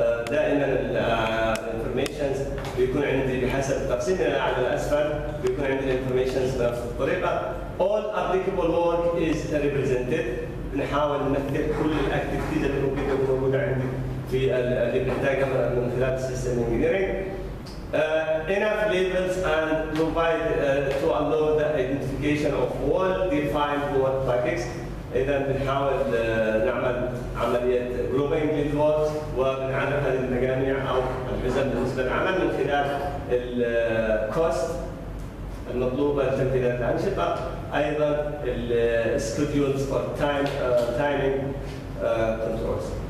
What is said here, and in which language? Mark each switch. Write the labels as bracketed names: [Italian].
[Arabic] دائما الانفورميشن بيكون عندي بحسب التقسيم على الاسفل بيكون عندي الانفورميشن بنفس الطريقه. [English] All applicable work is represented. [Arabic] بنحاول نمثل كل الاكتيفيتيز اللي ممكن تكون موجوده عندي في اللي بنحتاجها من خلال السيستم انجينيرنج. [English] Enough labels and provide to allow the identification of all defined work packets. [Arabic] إذا بنحاول نعمل عملية grouping للworks وبنعرف هذه المجاميع أو الحزم بالنسبة للعمل من خلال الـ cost المطلوبة لتنفيذ الأنشطة، أيضا الـ [English] schedules for timing controls.